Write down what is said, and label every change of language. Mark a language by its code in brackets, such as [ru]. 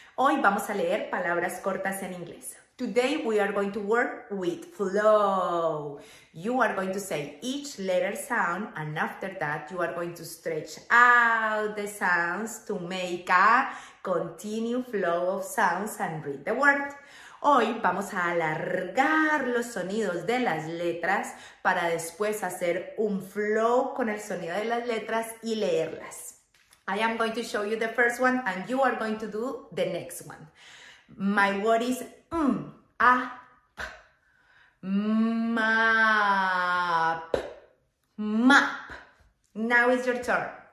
[es] Hoy vamos a leer palabras cortas en inglés. [en] Today we are going to work with flow. You are going to say each letter sound and after that you are going to stretch out the sounds to make a continuous flow of sounds and read the word. [es] Hoy vamos a alargar los sonidos de las letras para después hacer un [en] flow [es] con el sonido de las letras y leerlas. [en] I am going to show you the first one and you are going to do the next one. My word is map. Map. Now it's your turn.